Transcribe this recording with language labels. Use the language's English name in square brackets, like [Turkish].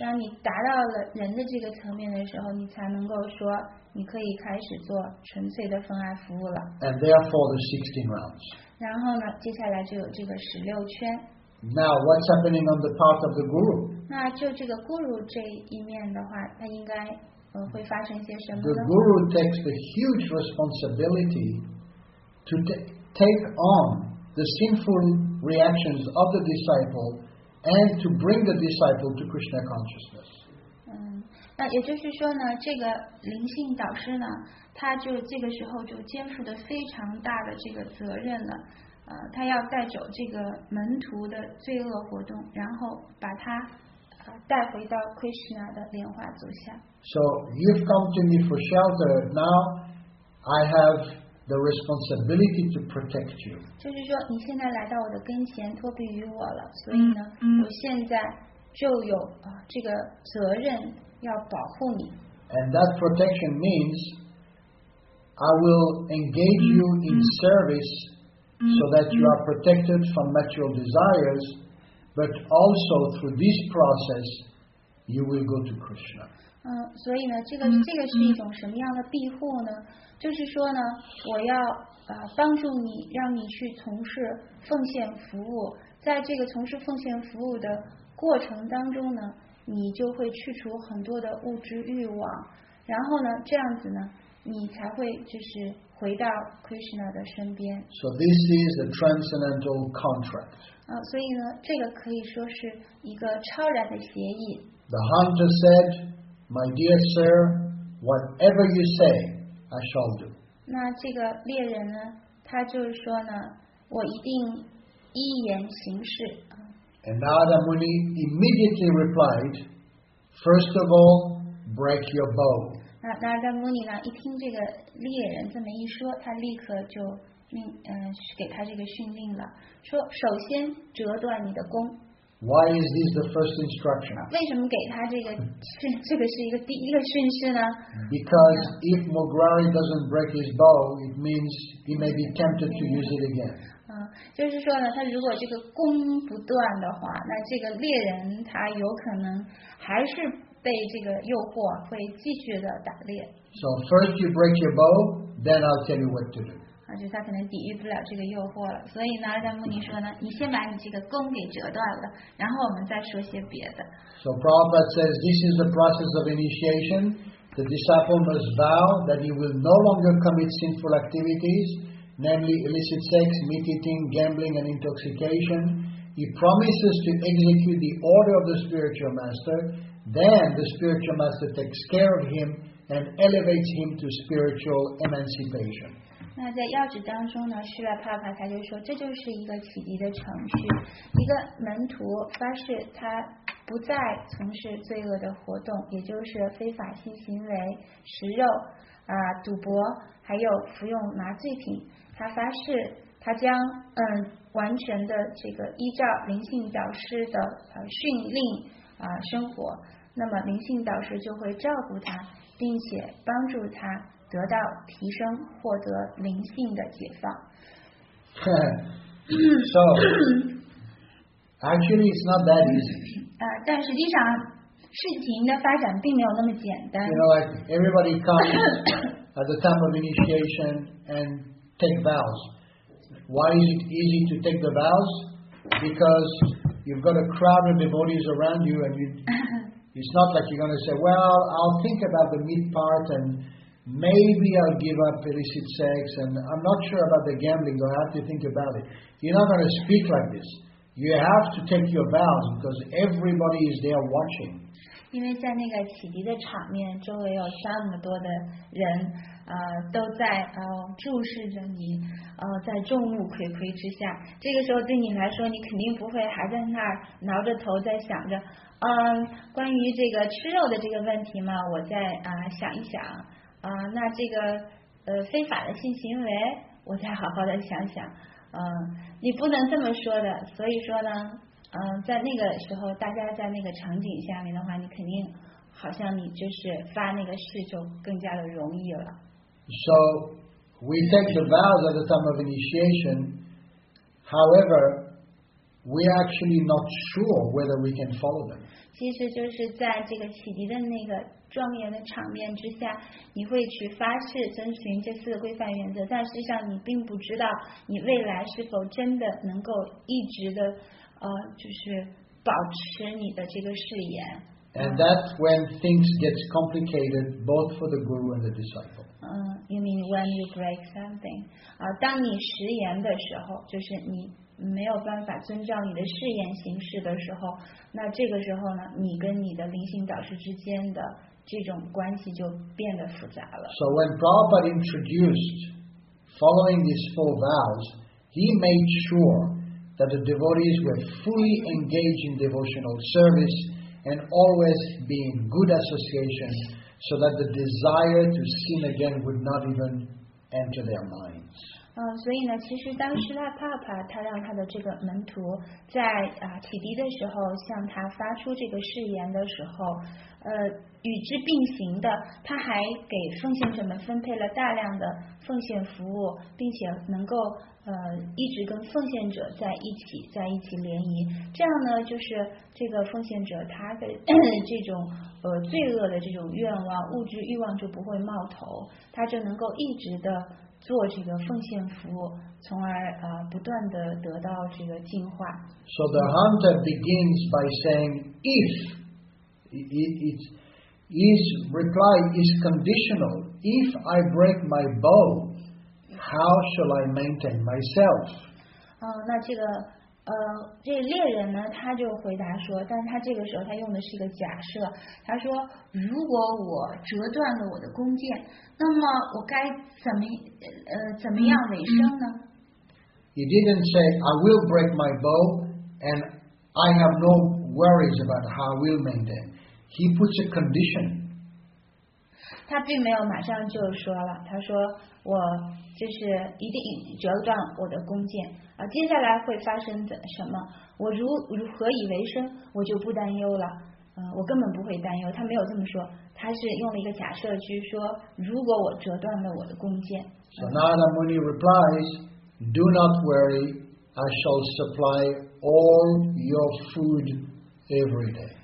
[Chinese] 当你达到了人的这个层面的时候，你才能够说你可以开始做纯粹的奉爱服务了。 [English] And therefore the 16 rounds. [Chinese] 然后呢，接下来就有这个十六圈。 [English] Now, what's happening on the part of the guru? [Chinese] 那就这个 guru 这一面的话，他应该会发生一些什么呢？ [English] The guru takes the huge responsibility. To take on the sinful reactions of the disciple and to bring the disciple to Krishna consciousness. [Chinese] 那也就是说呢，这个灵性导师呢，他就这个时候就肩负的非常大的这个责任了。他要带走这个门徒的罪恶活动，然后把他带回到 Krishna 的莲花座下。 [English] So you've come to me for shelter. Now I have. The responsibility to protect you. [Chinese] 就是说，你现在来到我的跟前，托庇于我了，所以呢，我现在就有这个责任要保护你。 [English] And that protection means I will engage you in service so that you are protected from material desires, but also through this process you will go to Krishna. [Chinese] 所以呢，这个是一种什么样的庇护呢？就是说呢，我要帮助你，让你去从事奉献服务。在这个从事奉献服务的过程当中呢，你就会去除很多的物质欲望，然后呢，这样子呢，你才会就是回到 Krishna 的身边。 [English] So this is a transcendental contract. [Chinese] 所以呢，这个可以说是一个超然的协议。 [English] The hunter said, "My dear sir, whatever you say." I shall do. [Chinese] 那这个猎人呢，他就是说呢，我一定依言行事。 [English] And Narada Muni immediately replied, first of all, break your bow. [Chinese] 那 Narada Muni 呢，一听这个猎人这么一说，他立刻就命给他这个训令了，说首先折断你的弓。 [English] Why is this the first instruction? [Chinese] 为什么给他这个是一个第一个训示呢？ [English] Because if Mograri doesn't break his bow, it means he may be tempted to use it again. [Chinese] 就是说呢，他如果这个弓不断的话，那这个猎人他有可能还是被这个诱惑会继续的打猎。 [English] So first you break your bow, then I'll tell you what to do. [Chinese] 就他可能抵御不了这个诱惑了，所以呢，达摩尼说呢，你先把你这个弓给折断了，然后我们再说些别的。 [English] So Prabhupada says this is the process of initiation. The disciple must vow that he will no longer commit sinful activities, namely illicit sex, meat eating, gambling, and intoxication. He promises to execute the order of the spiritual master. Then the spiritual master takes care of him and elevates him to spiritual emancipation. [Chinese] 那在要旨当中呢，释迦帕帕他就说，这就是一个启迪的程序。一个门徒发誓他不再从事罪恶的活动，也就是非法性行为、食肉、赌博，还有服用麻醉品。他发誓他将完全的这个依照灵性导师的训令生活。那么灵性导师就会照顾他，并且帮助他。得到提升，获得灵性的解放。 [English] So, actually, it's not that easy. [Chinese] 但实际上事情的发展并没有那么简单。 [English] You know, like everybody comes at the time of initiation and take vows. Why is it easy to take the vows? Because you've got a crowd of devotees around you, and it's not like you're going to say, "Well, I'll think about the meat part and." Maybe I'll give up illicit sex, and I'm not sure about the gambling, so I have to think about it. You're not going to speak like this. You have to take your vows because everybody is there watching. [Chinese] 因为在那个启迪的场面，周围有这么多的人，都在注视着你，在众目睽睽之下。这个时候对你来说，你肯定不会还在那儿挠着头在想着，关于这个吃肉的这个问题嘛，我再想一想。那这个非法的性行为，我再好好的想想。你不能这么说的。所以说呢，在那个时候，大家在那个场景下面的话，你肯定好像你就是发那个誓就更加的容易了。 [English] So we take the vows at the time of initiation. However, we actually not sure whether we can follow them. [Chinese] 其实就是在这个启迪的那个庄严的场面之下，你会去发誓遵循这四个规范原则，但实际上你并不知道你未来是否真的能够一直的。就是保持你的这个誓言。 [English] And that's when things get complicated, both for the guru and the disciple. You mean when you break something? [Chinese] 当你食言的时候，就是你没有办法遵照你的誓言行事的时候，那这个时候呢，你跟你的灵性导师之间的这种关系就变得复杂了。 [English] So when Prabhupada introduced following these four vows, he made sure. That the devotees were fully engaged in devotional service and always be in good association so that the desire to sin again would not even enter their minds. [Chinese] 所以呢，其实当时那帕帕他让他的这个门徒在启迪的时候向他发出这个誓言的时候，与之并行的，他还给奉献者们分配了大量的奉献服务，并且能够一直跟奉献者在一起联谊。这样呢，就是这个奉献者他的这种罪恶的这种愿望、物质欲望就不会冒头，他就能够一直的做这个奉献服务，从而不断的得到这个进化。 [English] So the hunter begins by saying if it's His reply is conditional. If I break my bow, how shall I maintain myself? [Chinese] 那这个这猎人呢，他就回答说，但是他这个时候他用的是一个假设。他说，如果我折断了我的弓箭，那么我该怎么样为生呢？ [English] He didn't say I will break my bow and I have no worries about how I will maintain. He puts a condition. [Chinese] 他并没有马上就说了，他说我就是一定折断我的弓箭，接下来会发生什么，我如何以为生，我就不担忧了，我根本不会担忧。他没有这么说，他是用了一个假设，就是说如果我折断了我的弓箭。 [English] So Narada Muni replies, "Do not worry, I shall supply all your food every day."